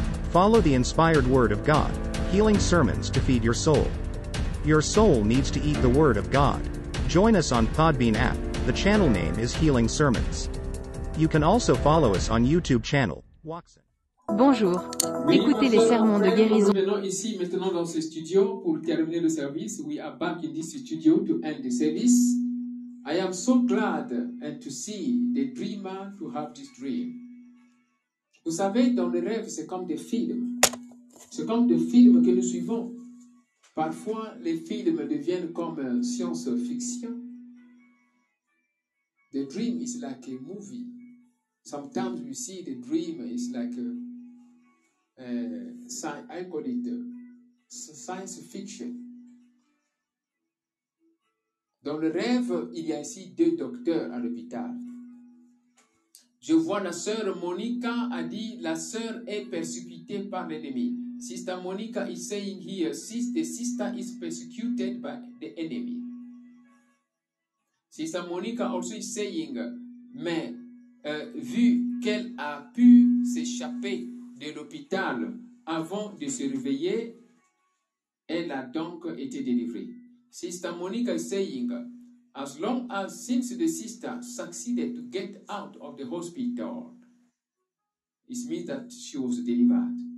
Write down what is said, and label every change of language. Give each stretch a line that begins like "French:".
English: Follow the inspired Word of God, Healing Sermons to feed your soul. Your soul needs to eat the Word of God. Join us on Podbean app. The channel name is Healing Sermons. You can also follow us on YouTube channel.
French: Bonjour. Oui, écoutez les sermons de guérison. Nous venons ici maintenant dans ce studio pour terminer le service.
English: We are back in this studio to end the service. I am so glad and to see the dreamer to have this dream.
French: Vous savez, dans les rêves, c'est comme des films. C'est comme des films que nous suivons. Parfois, les films deviennent comme science-fiction.
English: The dream is like a movie. Sometimes you see the dream is like science fiction.
French: Dans le rêve, il y a ici deux docteurs à l'hôpital. Je vois la sœur Monica a dit la sœur est persécutée par l'ennemi.
English: Sister Monica is saying here, the sister is persecuted by the enemy. Sister Monica also is saying,
French: mais vu qu'elle a pu s'échapper de l'hôpital avant de se réveiller, elle a donc été délivrée.
English: Sister Monica is saying, as long as since the sister succeeded to get out of the hospital, it means that she was delivered.